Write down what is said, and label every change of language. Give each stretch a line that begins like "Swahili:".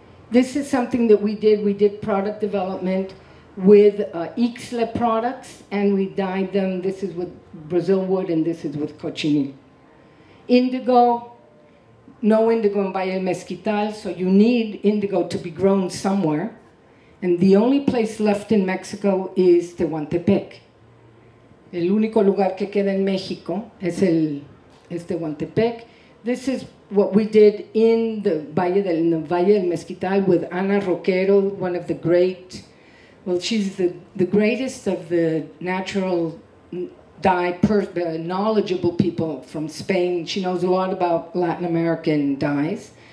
English: This is something that we did. We did product development with Ixle products, and we dyed them. This is with Brazil wood, and this is with cochineal. Indigo, no indigo in Valle Mezquital, so you need indigo to be grown somewhere. And the only place left in Mexico is Tehuantepec.
Spanish: El único lugar que queda en México es el es Tehuantepec.
English: This is what we did in the Valle del Mezquital with Ana Roquero, one of the great, well, she's the greatest of the natural dye, knowledgeable people from Spain. She knows a lot about Latin American dyes.